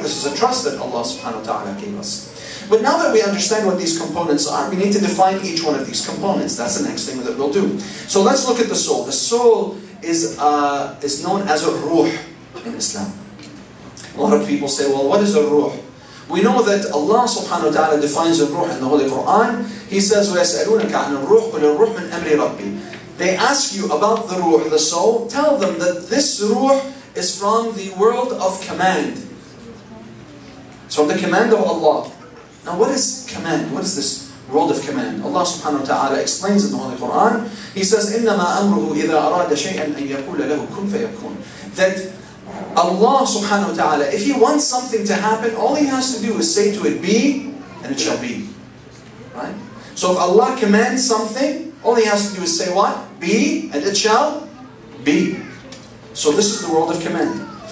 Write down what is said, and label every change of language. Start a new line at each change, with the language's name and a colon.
English: This is a trust that Allah subhanahu wa ta'ala gave us. But now that we understand what these components are, we need to define each one of these components. That's the next thing that we'll do. So let's look at the soul. The soul is known as a ruh in Islam. A lot of people say, well, what is a ruh? We know that Allah subhanahu wa ta'ala defines a ruh in the Holy Quran. He says,
Arabic: وَيَسْأَلُونَكَ عَنَ الرُّحِ قُلِ الرُّحِ مِنْ أَمْرِ رَبِّي.
English: They ask you about the ruh, the soul. Tell them that this ruh is from the world of command. It's from the command of Allah. Now what is command? What is this world of command? Allah subhanahu wa ta'ala explains in the Holy Quran. He says,
Arabic: إِنَّمَا أَمْرُهُ إِذَا أَرَادَ شَيْئًا أَنْ يَقُولَ لَهُ كُنْ فَيَكُونَ.
English: That Allah subhanahu wa ta'ala, if He wants something to happen, all He has to do is say to it, be, and it shall be. Right? So if Allah commands something, all He has to do is say what? Be, and it shall be. So this is the world of command.